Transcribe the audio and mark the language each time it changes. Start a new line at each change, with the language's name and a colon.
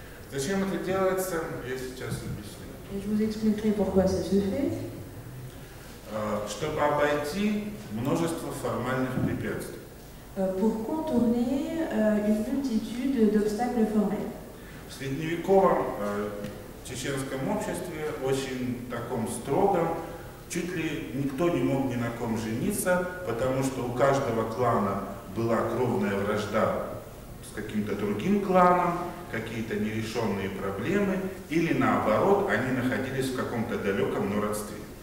Russian: Зачем это делается, я сейчас объясню.
French: Et je vous expliquerai pourquoi ça se fait.
Russian: Чтобы обойти множество формальных препятствий.
French: Pour contourner une multitude d'obstacles formels.
Russian: В средневековом чеченском обществе очень таком строгом чуть ли никто не мог ни на ком жениться, потому что у каждого клана была кровная вражда с каким-то другим кланом, какие-то нерешенные проблемы, или наоборот, они находились в каком-то далеком родстве.